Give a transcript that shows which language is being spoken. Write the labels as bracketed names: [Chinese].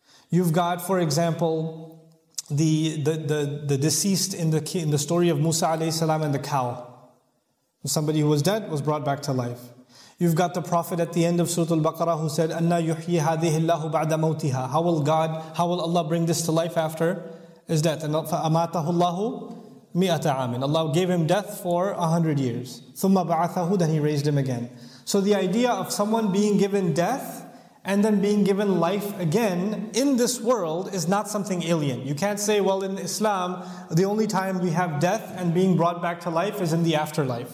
[English] You've got, for example, the deceased in the story of Musa alayhi salam and the cow. Somebody who was dead was brought back to life. You've got the Prophet at the end of Surah Al-Baqarah who said, [Arabic] "Anna yuhyi hadhihi Allahu ba'da mawtiha." [English] How will Allah bring this to life after his death? And [Arabic] فَأَمَاتَهُ اللَّهُ مِئَةَ عَامٍ. [English] Allah gave him death for 100 years. [Arabic] ثُمَّ بَعَثَهُ. [English] Then he raised him again. So the idea of someone being given death and then being given life again in this world is not something alien. You can't say, well, in Islam, the only time we have death and being brought back to life is in the afterlife.